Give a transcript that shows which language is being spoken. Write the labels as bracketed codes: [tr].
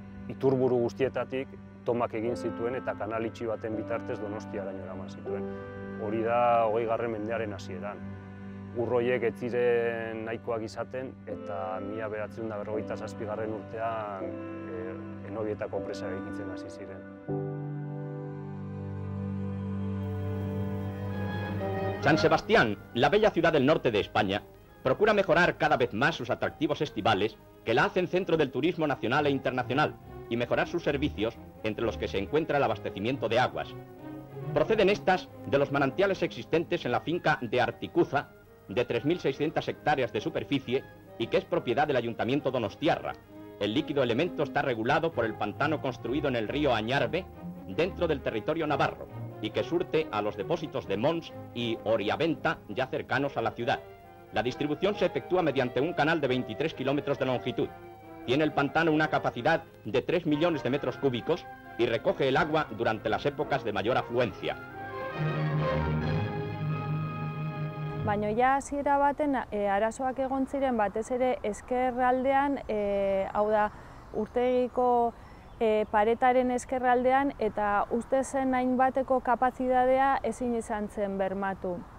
[eu] Iturburu guztietatik tomak egin zituen eta kanal itxi baten bitartez Donostiaraino eraman zituen. Hori da 20. mendearen hasieran. Ur horiek ez ziren nahikoak izaten eta 1957. urtean Enobietako presa egiten hasi ziren. [es] San Sebastián, la bella ciudad del norte de España, procura mejorar cada vez más sus atractivos estivales que la hacen centro del turismo nacional e internacional y mejorar sus servicios, entre los que se encuentra el abastecimiento de aguas. Proceden estas de los manantiales existentes en la finca de Articuza, de 3.600 hectáreas de superficie y que es propiedad del Ayuntamiento Donostiarra. El líquido elemento está regulado por el pantano construido en el río Añarbe, dentro del territorio navarro, y que surte a los depósitos de Mons y Oriaventa, ya cercanos a la ciudad. La distribución se efectúa mediante un canal de 23 kilómetros de longitud. Tiene el pantano una capacidad de 3 millones de metros cúbicos y recoge el agua durante las épocas de mayor afluencia. [eu] Baina ja hasiera baten arazoak egon ziren batez ere eskerraldean, hau da urtegiko paretaren eskerraldean eta uste zen hainbateko kapazitatea ezin izan zen bermatu.